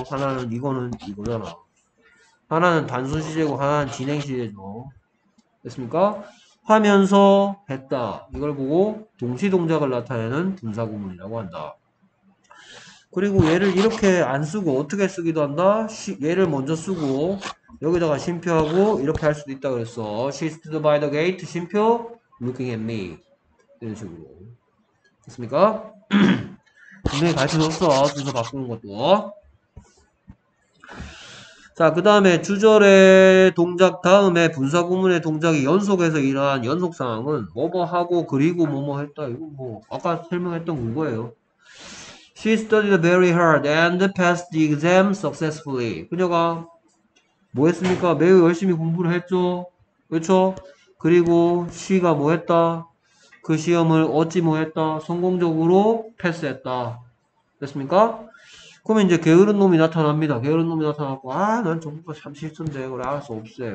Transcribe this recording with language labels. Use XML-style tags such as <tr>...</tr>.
<ko>하나는 이거는 이거잖아. 하나는 단순 시제고 하나는 진행 시제죠. 됐습니까? 하면서 했다. 이걸 보고 동시동작을 나타내는 분사구문이라고 한다. 그리고 얘를 이렇게 안 쓰고 어떻게 쓰기도 한다. 얘를 먼저 쓰고 여기다가 쉼표하고 이렇게 할 수도 있다 그랬어.</ko> <en>She stood by the gate,</en> <ko>쉼표,</ko> <en>looking at me.</en> <ko>이런 식으로. 됐습니까? 분명히 가르쳐줬어. 순서 바꾸는 것도. 자, 그 다음에 주절의 동작 다음에 분사구문의 동작이 연속해서 일어난 연속 상황은 뭐뭐하고 그리고 뭐뭐 했다. 이거 뭐 아까 설명했던 그거예요.</ko> <en>She studied very hard and passed the exam successfully.</en> <ko>그녀가 뭐 했습니까? 매우 열심히 공부를 했죠. 그렇죠? 그리고 she가 뭐 했다? 그 시험을 어찌 뭐 했다? 성공적으로 패스했다. 됐습니까? 그러면 이제 게으른 놈이 나타납니다. 게으른 놈이 나타나고, 아, 난 정보가 참 싫던데. 그래, 알았어, 없애.</ko>